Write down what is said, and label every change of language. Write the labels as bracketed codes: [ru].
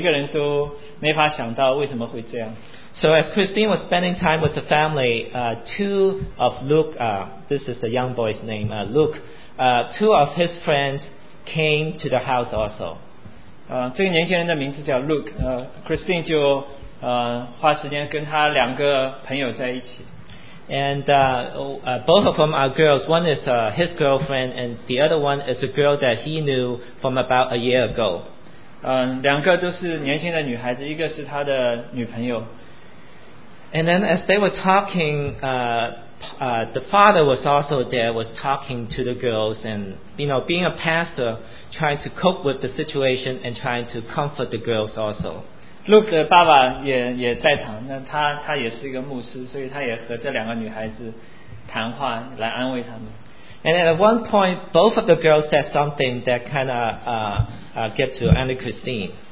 [zh] 这件事情是非常的令人震惊，每一个人都没法想到为什么会这样。 [en] So as Christine was spending time with the family, two of Luke, this is the young boy's name, Luke, two of his friends came to the house also. [zh] 这个年轻人的名字叫Luke, Christine 就 花时间跟他两个朋友在一起。 [en] And both of them are girls. One is his girlfriend, and the other one is a girl that he knew from about a year ago. [zh] 两个都是年轻的女孩子, 一个是他的女朋友。 [en] And then as they were talking, the father was also there, was talking to the girls, and you know, being a pastor, trying to cope with the situation and trying to comfort the girls also. [zh] Luke 的爸爸也在场，那他也是一个牧师，所以他也和这两个女孩子谈话来安慰他们。 [en] And at one point, both of the girls said something that kind of get to Anna Christine.